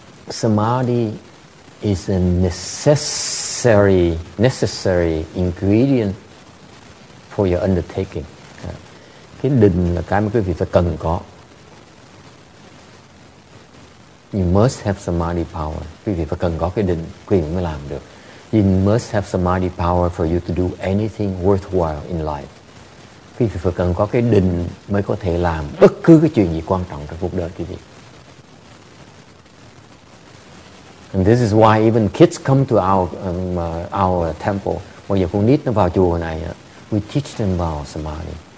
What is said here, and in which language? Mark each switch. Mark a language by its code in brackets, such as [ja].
[en] Samadhi is a necessary ingredient for your undertaking. [vi] Cái định là cái mà quý vị phải cần có. [en] You must have samadhi power. [vi] Quý vị phải cần có cái định, quý vị mới làm được. [en] You must have samadhi power for you to do anything worthwhile in life. [vi] Quý vị phải cần có cái định mới có thể làm bất cứ cái chuyện gì quan trọng trong cuộc đời quý vị. [en] And this is why even kids come to our temple. [vi] Bây giờ con nít nó vào chùa này, [en] we teach them about samadhi.